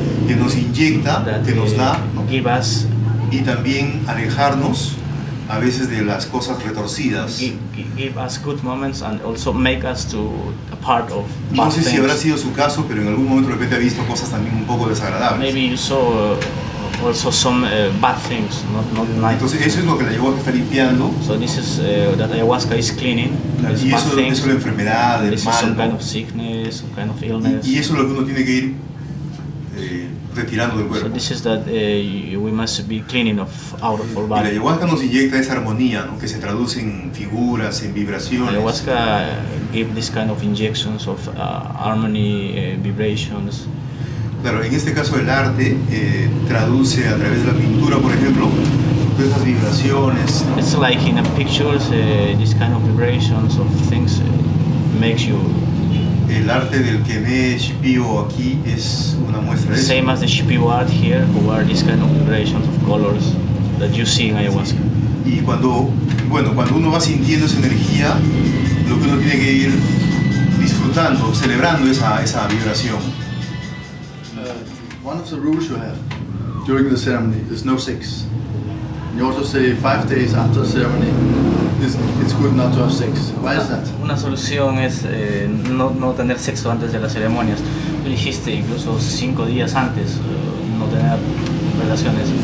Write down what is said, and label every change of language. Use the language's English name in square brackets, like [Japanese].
[Spanish] que nos inyecta, que nos da, ¿no? [English] Give us, [Spanish] y también alejarnos a veces de las cosas retorcidas. [English] Give us good moments and also make us to a part of [Spanish] no [English] bad [Spanish] sé [English] things. [Spanish] Si habrá sido su caso, pero en algún momento de repente ha visto cosas también un poco desagradables. [English] Maybe you saw also some bad things, not nice. [Spanish] Entonces eso es lo que la ayahuasca está limpiando. [English] So this is that ayahuasca is cleaning. [Spanish] Y eso es la enfermedad, el [English] this [Spanish] mal. [English] Is some kind of sickness, some kind of illness. [Spanish] Y eso es lo que uno tiene que ir retirando del cuerpo. [English] So this is that we must be cleaning of out of our body. [Spanish] Y la ayahuasca nos inyecta esa armonía, ¿no? Que se traduce en figuras, en vibraciones. [English] Ayahuasca give this kind of injections of harmony, vibrations. [Spanish] Claro, en este caso el arte traduce a través de la pintura, por ejemplo, todas esas vibraciones. [English] It's like in a pictures, this kind of vibrations of things makes you. [Spanish] El arte del Kemé Shipibo aquí es una muestra de eso. [English] Same as the Shipibo art here, who are these kind of vibrations of colors that you see in ayahuasca. [Spanish] Sí. Y cuando uno va sintiendo esa energía, lo que uno tiene que ir disfrutando, celebrando esa vibración. [English] One of the rules you have during the ceremony is no sex. You also say 5 days after the ceremony, it's good not to have sex. Why is that? [Spanish] Una solución es no tener sexo antes de las ceremonias. Tú dijiste incluso 5 días antes no tener relaciones.